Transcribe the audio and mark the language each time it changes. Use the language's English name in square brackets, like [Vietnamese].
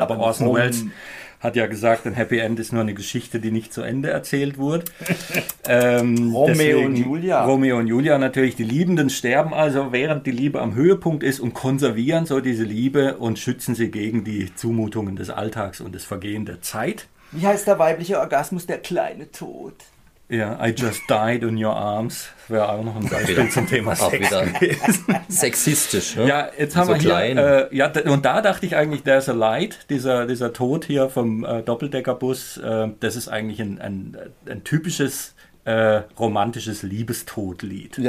[German] Aber Orson Welles hat ja gesagt, ein Happy End ist nur eine Geschichte, die nicht zu Ende erzählt wurde. Romeo und Julia natürlich. Die Liebenden sterben also, während die Liebe am Höhepunkt ist, und konservieren so diese Liebe und schützen sie gegen die Zumutungen des Alltags und das Vergehen der Zeit. Wie heißt der weibliche Orgasmus? Der kleine Tod. [English] Ja, yeah, I just died in your arms. [German] Wäre auch noch ein Beispiel wieder zum Thema Sex. Auch wieder sexistisch, ne? Ja, jetzt haben so wir hier, klein. Ja, und da dachte ich eigentlich, [English] there's a light, [German] dieser Tod hier vom Doppeldeckerbus, das ist eigentlich ein typisches romantisches Liebestodlied.